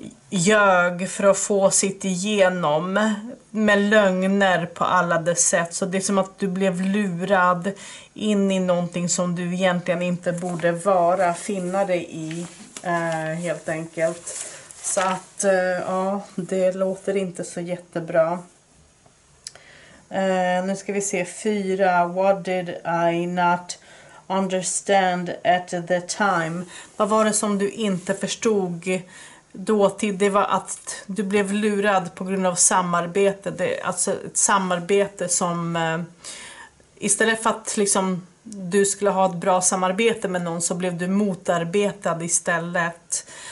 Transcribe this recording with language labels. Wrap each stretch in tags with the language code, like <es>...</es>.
<sv>ljög för att få sitt igenom med lögner på alla dess sätt. Så det är som att du blev lurad in i någonting som du egentligen inte borde vara, finna dig i, helt enkelt. Så att ja, det låter inte så jättebra. Nu ska vi se 4.</sv> <en>What did I not understand at the time?</en> <sv>Vad var det som du inte förstod dåtid? Det var att du blev lurad på grund av samarbete. Det, alltså ett samarbete som istället för att liksom du skulle ha ett bra samarbete med någon, så blev du motarbetad istället.</sv>